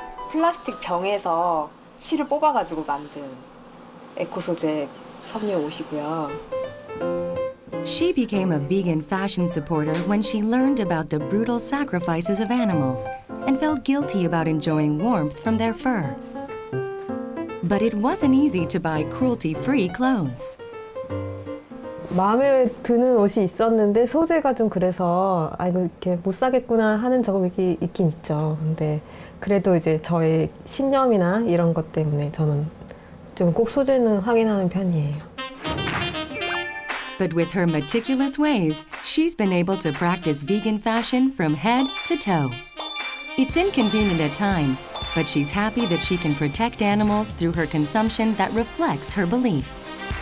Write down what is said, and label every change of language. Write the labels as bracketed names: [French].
[Korean] 플라스틱 병에서 실을 뽑아가지고 만든 에코소재 섬유 옷이고요. [English] She became a vegan fashion supporter when she learned about the brutal sacrifices of animals and felt guilty about enjoying warmth from their fur. But it wasn't easy to buy cruelty-free clothes. [Korean] 마음에 드는 옷이 있었는데 소재가 좀 그래서 아 이거 이렇게 못 사겠구나 하는 적이 있긴 있죠. 근데 그래도 이제 저의 신념이나 이런 것 때문에 저는 좀 꼭 소재는 확인하는 편이에요. [English] But with her meticulous ways, she's been able to practice vegan fashion from head to toe. It's inconvenient at times, but she's happy that she can protect animals through her consumption that reflects her beliefs.